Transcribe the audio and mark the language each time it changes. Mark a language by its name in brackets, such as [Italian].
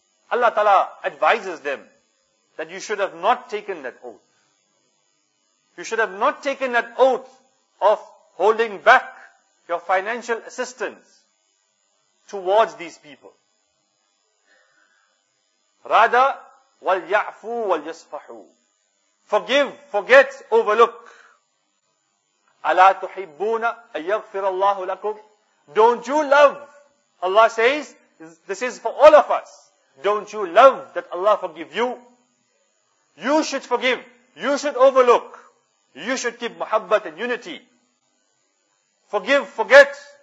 [English] Allah Ta'ala advises them that you should have not taken that oath. You should have not taken that oath of holding back your financial assistance towards these people. [Arabic] Rather, وَلْيَعْفُوا وَلْيَصْفَحُوا. [English] Forgive, forget, overlook. [Arabic] أَلَا تُحِبُّونَ أَيَغْفِرَ اللَّهُ لَكُمْ. [English] Don't you love, Allah says, this is for all of us. Don't you love that Allah forgive you? You should forgive, you should overlook, you should keep muhabbat and unity. Forgive, forget.